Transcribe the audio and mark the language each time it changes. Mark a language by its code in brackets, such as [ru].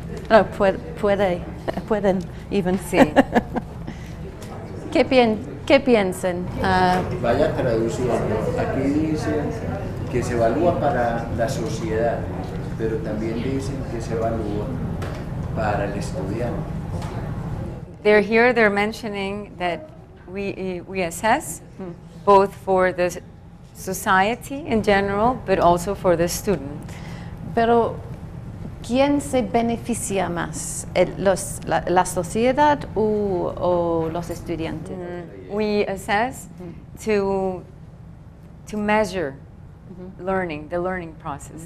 [es] No, pueden, even. Sí. ¿Qué piensan? Vaya traducido. Aquí dice que se evalúa para la sociedad, pero también dicen que se evalúa para el estudiante. [en] They're here, they're mentioning that we assess both for the society in general, but also for the student. [es] Pero, ¿quién se beneficia más, la sociedad o los estudiantes? [en] We assess to measure learning, the learning process.